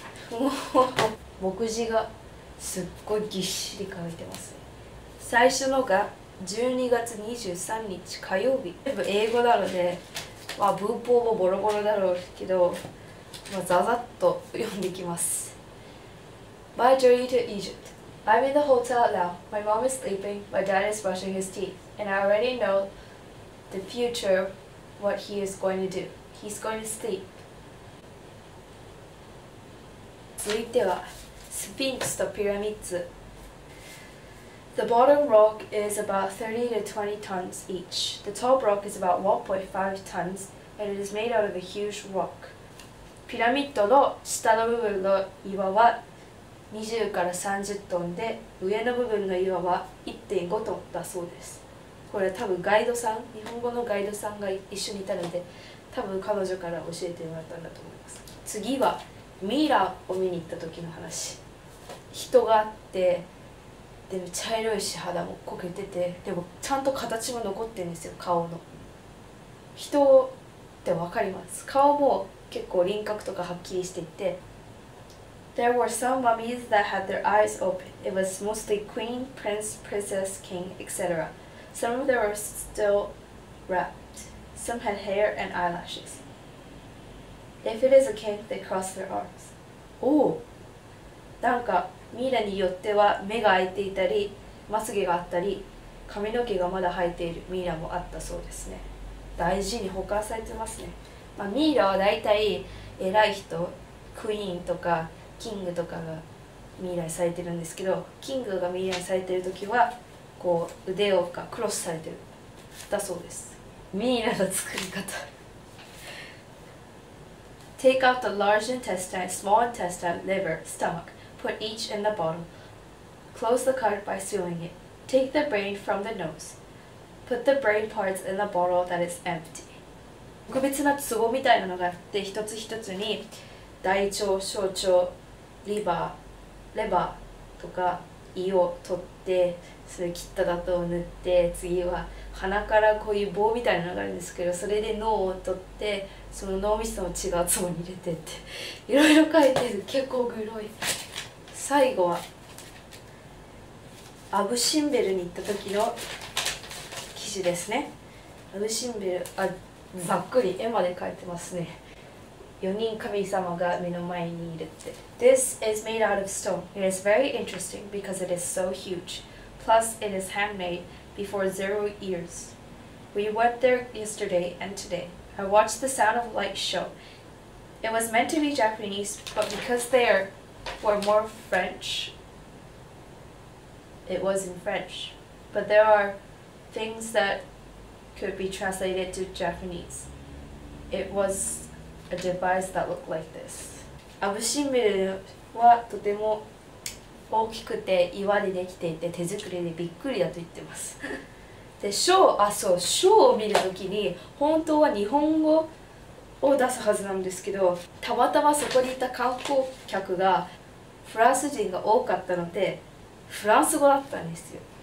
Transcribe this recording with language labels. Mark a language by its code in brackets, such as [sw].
[ja] もう目次がすっごいぎっしり書いてますね。最初のが12月23日火曜日。全部英語なので、まあ、文法もボロボロだろうけど、まあ、ザザッと読んできます。 [en] My journey to Egypt. I'm in the hotel now. My mom is sleeping, my dad is brushing his teeth, and I already know the future of what he is going to do. He's going to sleep. [ja] 続いては、スフィンクスとピラミッド。 [en] The bottom rock is about 30 to 20 tons each. The top rock is about 1.5 tons and it is made out of a huge rock. [ja] ピラミッドの下の部分の岩は20から30トンで、上の部分の岩は 1.5 トンだそうです。これは多分ガイドさん、日本語のガイドさんが一緒にいたので、多分彼女から教えてもらったんだと思います。次はミイラを見に行った時の話。人があって、でも茶色いし肌もこけてて、でもちゃんと形も残ってるんですよ。顔の人って分かります。顔も結構輪郭とかはっきりしていて。 [en] There were some mummies that had their eyes open. It was mostly queen, prince, princess, king, etc. Some of them were still wrapped. Some had hair and eyelashes. If it is a king, they cross their arms. [ja] おお、なんかミイラによっては目が開いていたり、まつげがあったり、髪の毛がまだ生えているミイラもあったそうですね。大事に保管されてますね。まあ、ミイラはだいたい偉い人、クイーンとかキングとかがミイラにされてるんですけど、キングがミイラにされてるときはこう腕をかクロスされてるだそうです。ミイラの作り方。 [en] Take out the large intestine, small intestine, liver, stomachPut each in the bottle. Close the cut by sealing it. Take the brain from the nose. Put the brain parts in the bottle that is empty. [ja] 特別な壺みたいなのがあって、一つ一つに大腸、小腸、リバー、レバーとか胃を取って、それ切っただとを塗って、次は鼻からこういう棒みたいなのがあるんですけど、それで脳を取って、その脳みその違う壺に入れてって、いろいろ書いてる。結構グロい。最後はアブシンベルに行った時の記事ですね。アブシンベル、あ、ざっくり絵まで描いてますね。 4人神様が目の前にいるって。 [en] This is made out of stone. It is very interesting because it is so huge. Plus it is handmade before 0 years. We went there yesterday and today. I watched the sound of light show. It was meant to be Japanese, but because they areFor more French, it was in French. But there are things that could be translated to Japanese. It was a device that looked like this. [ja] アブシンベルはとても大きくて岩でできていて手作りでびっくりだと言ってます。で、ショーを見るときに本当は日本語を出すはずなんですけど、たまたまそこにいた観光客がフランス人が多かったのでフランス語だったんですよ。